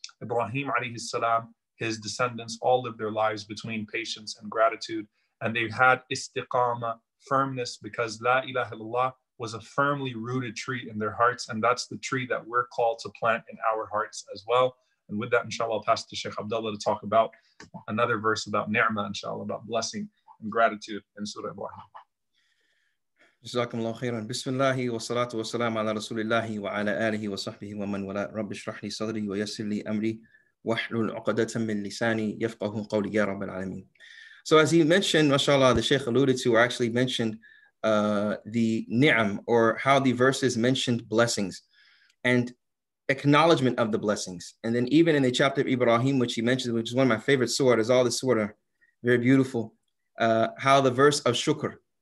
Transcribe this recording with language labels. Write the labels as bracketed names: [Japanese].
[English] Ibrahim alayhi salam, his descendants, all lived their lives between patience and gratitude, and they had istiqama, firmness, because la ilaha illallah was a firmly rooted tree in their hearts, and that's the tree that we're called to plant in our hearts as well. And with that, inshallah, I'll pass to Sheikh Abdullah to talk about another verse about ni'mah, inshallah, about blessing and gratitude in Surah Ibrahim. [Arabic] جزاكم الله خيرا بسم الله والصلاة والسلام على رسول الله وعلى آله وصحبه ومن والاه رب اشرح لي صدري ويسر لي أمري واحلل عقدة من لساني يفقه قولي يا رب العالمين. [English] So as he mentioned, mashallah, the Shaykh alluded to or actually mentioned the ni'am, or how the verses mentioned blessings and acknowledgement of the blessings. And then even in the chapter of Ibrahim, which he mentioned, which is one of my favorite surah, is all the surah, very beautiful, how the verse of shukr.